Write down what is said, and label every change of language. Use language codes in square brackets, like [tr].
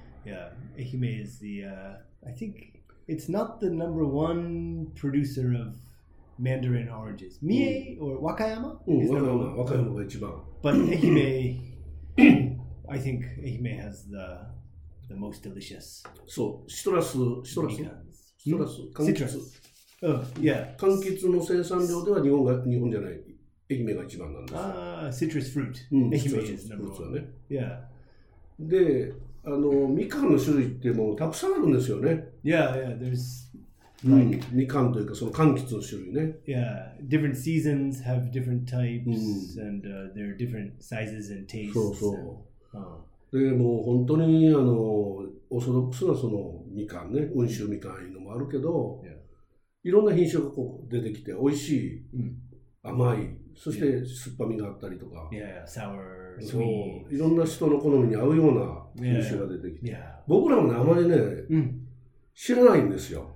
[en] Yeah, Ehime is the, I think, it's not the number one producer of mandarin oranges. Mie or Wakayama? [ja] Wakayama が一番。 [en] But Ehime, I think Ehime has the most delicious. [ja] そう、シトラス、柑橘。柑橘の生産量では日本じゃない、Ehime が一番なんです。 [en] Citrus fruit. Ehime is number one. [ja] Fruits はね。 [en] Yeah. [ja] で、あのみかんの種類ってもうたくさんあるんですよね。 [en] There's [ja] みかんというかその柑橘の種類ね。 [en] Yeah, different seasons have different types and there are different sizes and tastes. [ja] そうそう。でもう本当にあのオーソドックスなそのみかんね、温州みかんいうのもあるけど、いろんな品種がこう出てきて美味しい、甘い、そして酸っぱみがあったりとか。 [en] Sour. [ja] そういろんな人の好みに合うような品種が出てきて、僕らもねあまりね、知らないんですよ、